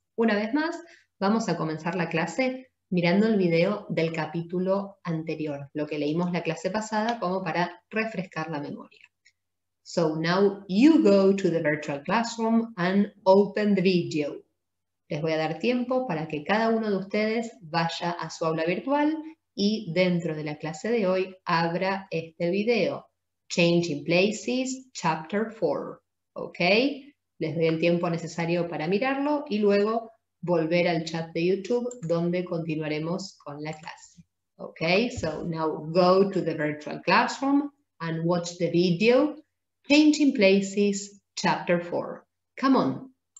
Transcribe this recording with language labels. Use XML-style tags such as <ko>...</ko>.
<es>Una vez más, vamos a comenzar la clase mirando el video del capítulo anterior, lo que leímos la clase pasada como para refrescar la memoria.</es> <en>So now you go to the virtual classroom and open the video.</en> <es>Les voy a dar tiempo para que cada uno de ustedes vaya a su aula virtual y dentro de la clase de hoy abra este video.</es> <en>Changing Places, Chapter 4. ¿Ok?</en> <es>Les doy el tiempo necesario para mirarlo y luego volver al chat de YouTube donde continuaremos con la clase. ¿Ok?</es> <en>So now go to the virtual classroom and watch the video. Changing Places, Chapter 4. Come on.</en>